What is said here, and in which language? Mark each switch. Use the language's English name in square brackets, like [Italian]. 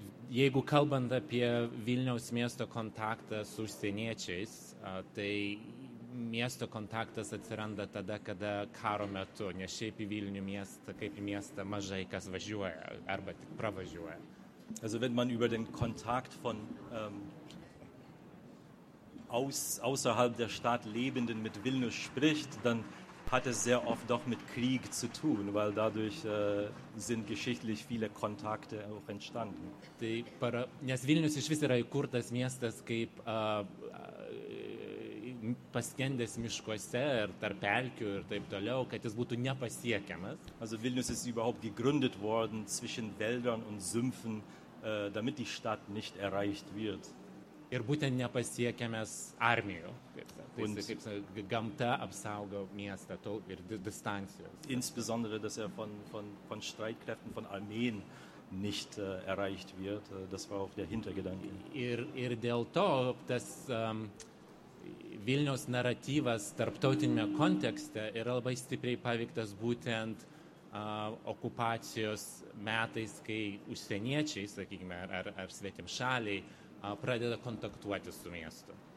[Lithuanian] Jeigu kalbant apie Vilniaus miesto kontaktą su užsieniečiais, tai miesto kontaktas atsiranda tada, kada karo metu, nes šiaip į Vilnių miestą, kaip į miestą, mažai kas važiuoja, arba tik pravažiuoja. [German] Also wenn man über den Kontakt von außerhalb der Stadt Lebenden mit Vilnius spricht, dann hat es sehr oft doch mit Krieg zu tun, weil dadurch sind geschichtlich viele Kontakte auch entstanden. [Lithuanian] Tai para, nes Vilnius iš vis yra įkurtas miestas kaip paskendęs miškuose ir tarp pelkių ir taip toliau, kad jis būtų nepasiekiamas. [German] Also Vilnius ist überhaupt gegründet worden zwischen Wäldern und Sümpfen, damit die Stadt nicht erreicht wird. [Lithuanian] Ir būtent nepasiekiamas armijų. Kaip gamta apsaugo miestą ir distancijos. [German] Insbesondere, dass von Streitkräften, von Armeen nicht erreicht wird. Das war auch der Hintergedanke. [Lithuanian] Ir dėl to, tas Vilniaus naratyvas tarptautinėme kontekste yra labai stipriai paveiktas būtent okupacijos metais, kai užsieniečiai, sakykime, ar svetim šaliai, pradeda kontaktuoti su miestu.